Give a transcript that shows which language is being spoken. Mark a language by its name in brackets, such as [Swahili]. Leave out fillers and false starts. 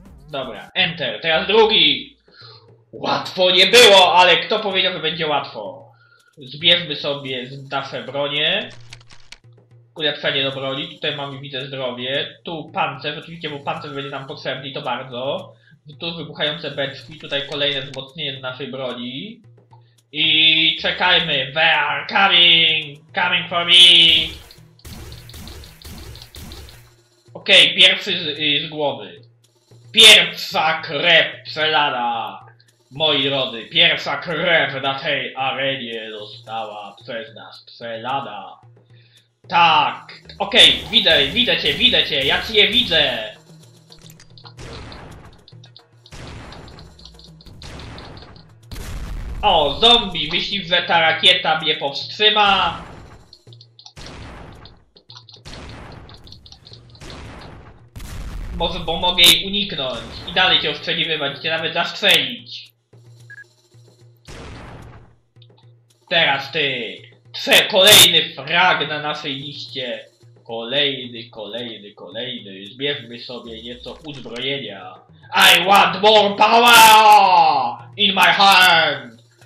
[Polish] Dobra, enter. Teraz drugi. Łatwo nie było, ale kto powiedział, że będzie łatwo? Zbierzmy sobie nasze bronie. Ulepszenie do broni, tutaj mamy, widzę, zdrowie. Tu pancerz, oczywiście, bo pancerz będzie nam potrzebny i to bardzo. Tu wybuchające beczki, tutaj kolejne wzmocnienie do naszej broni. I czekajmy, [English] they are coming! Coming for me! [Polish] Okej, okay, pierwszy z głowy. Pierwsza krew przelana! Moi drodzy, pierwsza krew na tej arenie została przez nas przelana. Tak, okej, okay, widzę cię, ja cię widzę! O, zombie, myślisz, że ta rakieta mnie powstrzyma? Może, bo mogę jej uniknąć i dalej cię ostrzeliwać, cię nawet zastrzelić. Teraz ty! Kolejny frag na naszej liście. Kolejny. Zbierzmy sobie nieco uzbrojenia. [English] I want more power in my hand.